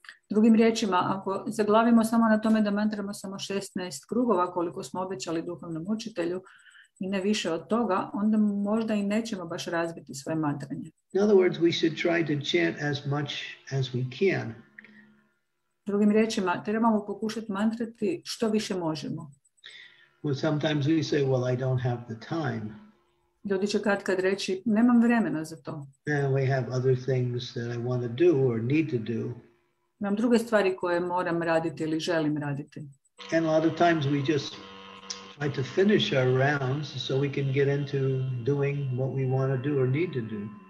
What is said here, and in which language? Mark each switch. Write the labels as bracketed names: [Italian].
[Croatian] Drugim riječima, ako zaglavimo samo na tome da mantramo samo 16 krugova koliko smo obećali duhovnom učitelju, i ne više od toga, onda možda i nećemo baš razbiti svoje mantranje. [English] In other words, we should try to chant as much as we can. [Croatian] Drugim riječima, trebamo pokušati mantrati što više možemo. [English] Well, sometimes we say, well, I don't have the time. [Croatian] Ljudi će kad reći, nemam vremena za to. [English] And we have other things that I want to do or need to do. [Croatian] Imam druge stvari koje moram raditi ili želim raditi. [English] And a lot of times we just try to finish our rounds so we can get into doing what we want to do or need to do.